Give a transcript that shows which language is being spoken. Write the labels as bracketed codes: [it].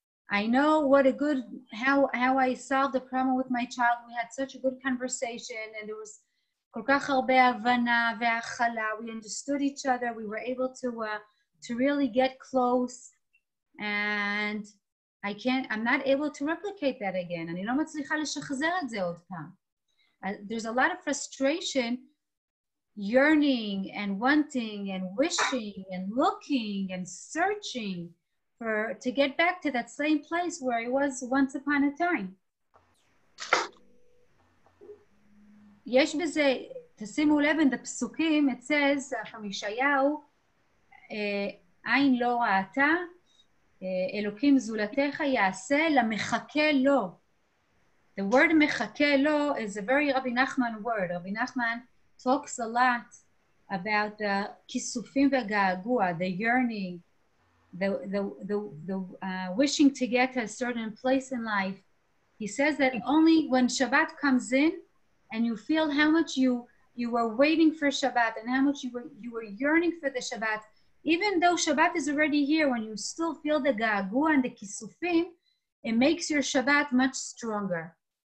[en] I know what a good how I solved the problem with my child. We had such a good conversation and there was [he] כל כך הרבה הבנה והכלה. [en] We understood each other, we were able to really get close, and I'm not able to replicate that again. [he] אני לא מצליחה לשחזר את זה עוד פעם. [en] There's a lot of frustration, yearning and wanting and wishing and looking and searching for to get back to that same place where it was once upon a time. [he] יש בזה, תשימו לב, [en] in the [he] פסוקים, [en] it says, from [he] ישעיהו, עין לא ראתה, אלוקים זולתך יעשה למחכה לו. [en] The word מחכה לו is a very Rabbi Nachman word. Rabbi Nachman talks a lot about the [he] כיסופים וגעגוע, [en] the yearning, the wishing to get to a certain place in life. He says that only when Shabbat comes in and you feel how much you were waiting for Shabbat and how much you were yearning for the Shabbat, even though Shabbat is already here, when you still feel the ga'agua and the kisufim, it makes your Shabbat much stronger.